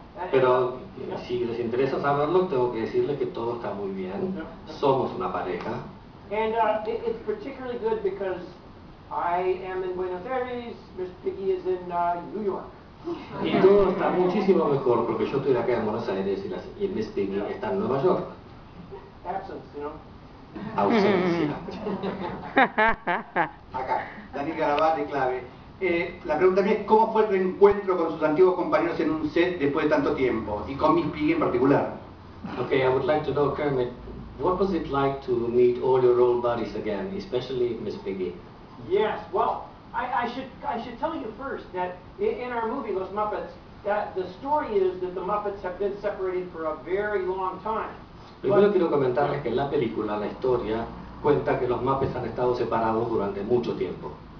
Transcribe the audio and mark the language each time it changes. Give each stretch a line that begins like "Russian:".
Spanish: Pero si les interesa saberlo, tengo que decirle que todo está muy bien. Somos una pareja.
English: And it's particularly good because I am in Buenos Aires. Miss Piggy is in New York.
Spanish: Y todo está muchísimo mejor porque yo estoy acá en Buenos Aires y Miss Piggy está en Nueva York.
English: Absence, you know.
Spanish: Ausencia. Acá, Dani Garabá de Clave. La pregunta mía es, ¿cómo fue el reencuentro con sus antiguos compañeros en un set después de tanto tiempo? Y con Miss Piggy en particular.
English: Okay, I would like to know, Kermit, what was it like to meet all your old buddies again, especially Miss Piggy? Yes, well, I should tell you first that in our movie, Los Muppets, that the story is that the Muppets have been separated for a very long time.
Spanish: Primero quiero comentarles que en la película, la historia, cuenta que los Muppets han estado separados durante mucho tiempo.